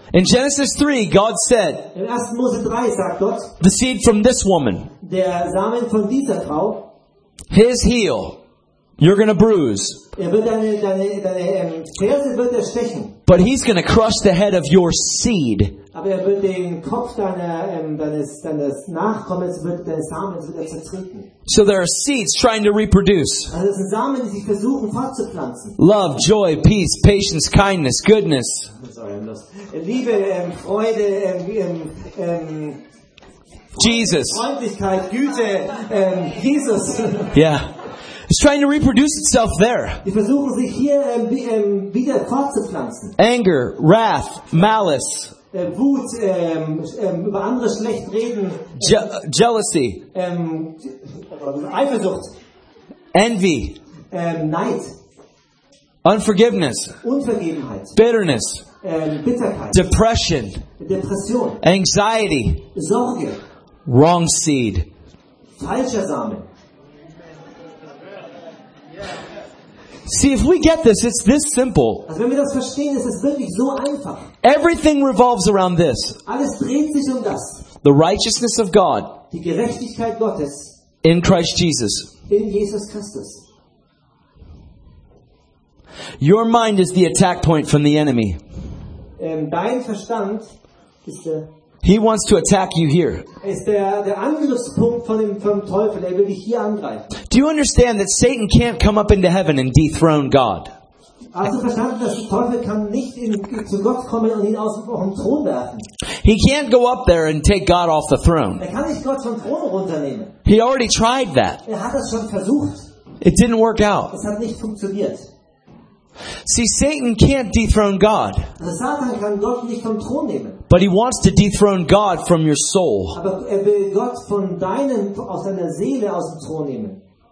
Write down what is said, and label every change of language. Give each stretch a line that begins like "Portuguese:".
English: In Genesis 3, God said,
German: in 1. Mose 3 sagt Gott,
English: the seed from this woman,
German: der Samen von dieser Frau,
English: his heel, you're going to bruise.
German: Er wird deine Ferse wird er stechen.
English: But he's going to crush the head of your seed.
German: Aber er wird den Kopf deines Nachkommens, wird deine Samen wird er zertreten.
English: So there are seeds trying to reproduce.
German: Also das sind Samen, die sich versuchen fortzupflanzen.
English: Love, joy, peace, patience, kindness, goodness. Sorry, I'm lost.
German: Liebe, Freude,
English: Jesus.
German: Freundlichkeit, Güte, Jesus.
English: Yeah. It's trying to reproduce itself there.
German: Die versuchen sich hier wieder fortzupflanzen.
English: Anger, wrath, malice.
German: Wut, über andere schlecht reden.
English: Jealousy.
German: Eifersucht.
English: Envy.
German: Neid.
English: Unforgiveness.
German: Unvergebenheit.
English: Bitterness.
German: Bitterkeit.
English: Depression.
German: Depression.
English: Anxiety.
German: Sorge.
English: Wrong seed.
German: Falscher Samen.
English: See, if we get this, it's this simple.
German: Also, wenn wir das verstehen, ist es wirklich so einfach.
English: Everything revolves around this.
German: Alles dreht sich das.
English: The righteousness of God.
German: Die Gerechtigkeit Gottes.
English: In Christ Jesus.
German: In Jesus Christus.
English: Your mind is the attack point from the enemy.
German: Dein Verstand ist der.
English: He wants to attack you here.
German: Ist der Angriffspunkt vom Teufel. Er will dich hier angreifen.
English: Do you understand that Satan can't come up into heaven and dethrone God?
German: Hast du verstanden, dass der Teufel kann nicht zu Gott kommen und ihn aus dem Thron werfen?
English: He can't go up there and take God off the throne.
German: Er kann nicht Gott vom Thron runternehmen.
English: He already tried that.
German: Er hat das schon versucht.
English: It didn't work out.
German: Es hat nicht funktioniert.
English: See, Satan can't dethrone God.
German: Also Satan kann Gott nicht vom Thron nehmen.
English: But he wants to dethrone God from your soul.
German: Aber er will Gott von aus deiner Seele aus dem Thron nehmen.